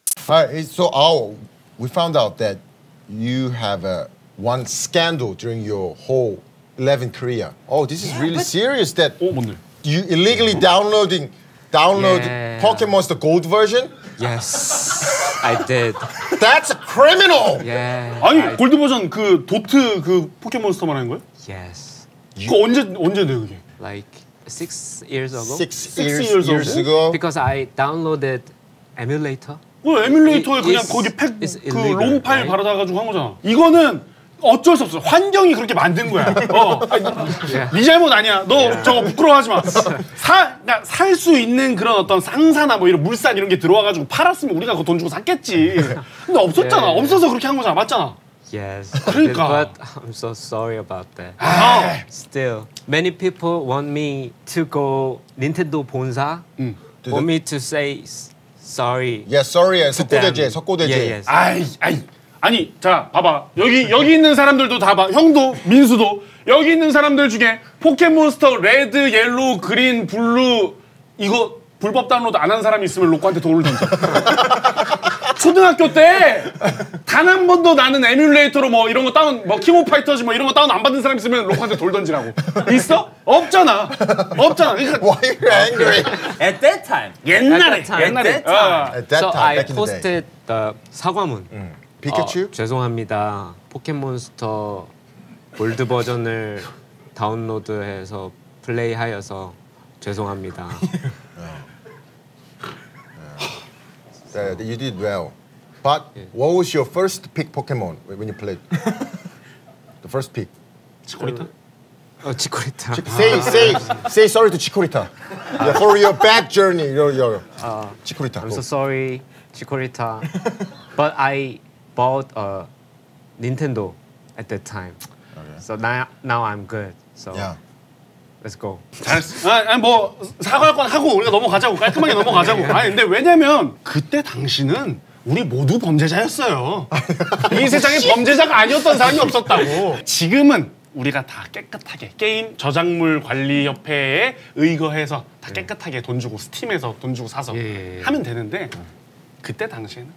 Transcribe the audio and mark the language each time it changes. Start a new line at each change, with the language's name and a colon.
English: Alright, so Owl, we found out that you have one scandal during your whole 11 career. Oh, this is really serious that you illegally download Pokemon's the gold version? Yes, I did. That's a criminal! Yeah.
Korean: 아니, 골드 버전 그 도트 그 포켓몬스터 말하는 거예요?
English: Yes.
Korean: 그거 언제 돼요, 그게?
English: Like 6 years ago. Six years ago. Because I downloaded emulator.
Korean: 왜 emulator에 그냥 거기 팩 그 ROM 파일 right? 바로다 가지고 한 거잖아. 이거는 어쩔 수 없어. 환경이 그렇게 만든 거야. 어. 네 잘못 아니야. 너 저거 부끄러워하지 마. 살 수 있는 그런 어떤 상사나 뭐 이런 물산 이런 게 들어와가지고 팔았으면 우리가 그 돈 주고 샀겠지. 근데 없었잖아. 없어서 그렇게 한 거잖아. 맞잖아.
English: Yes.
Korean: 그러니까.
English: But I'm so sorry about that. Still, many people want me to go Nintendo 본사. Want me to say sorry. Yes, sorry.
Korean: 석고대죄, 석고대죄.
English: Yeah, yes.
Korean: 아니, 자, 봐봐. 여기 있는 사람들도 다 봐. 형도, 민수도. 여기 있는 사람들 중에 포켓몬스터 레드, 옐로우, 그린, 블루 이거 불법 다운로드 안 한 사람이 있으면 로꼬한테 돈을 던져. 초등학교 때 단 한 번도 나는 에뮬레이터로 뭐 이런 거 다운, 뭐 킹오파이터즈 뭐 이런 거 다운 안 받은 사람 있으면 로꼬한테 돌 던지라고. 있어? 없잖아. 없잖아. 그러니까
English: Why are you angry? Okay. At that time.
Korean: 옛날에.
English: At that time.
Korean: 옛날에.
English: At that time. So I posted the 사과문.
Korean: 피카츄? 죄송합니다. 포켓몬스터 골드 버전을 다운로드해서 플레이하여서 죄송합니다.
English: You did well. But what was your first pick Pokemon when you played? The first pick.
Korean: 치코리타? 치코리타.
English: Say sorry to 치코리타. Yeah, for your bad journey. Your 치코리타. I'm so sorry, 치코리타. But I bought a Nintendo at that time. Okay. So now I'm good. So. Yeah. Let's go.
Korean: 잘했어. 아, 뭐 사과할 건 하고 우리가 넘어가자고. 깔끔하게 넘어가자고. 아니 근데 왜냐면 그때 당신은 우리 모두 범죄자였어요. 이 세상에 범죄자가 아니었던 사람이 없었다고. 지금은 우리가 다 깨끗하게 게임 저작물 관리협회에 의거해서 다 깨끗하게 돈 주고 스팀에서 돈 주고 사서 하면 되는데 그때 당신은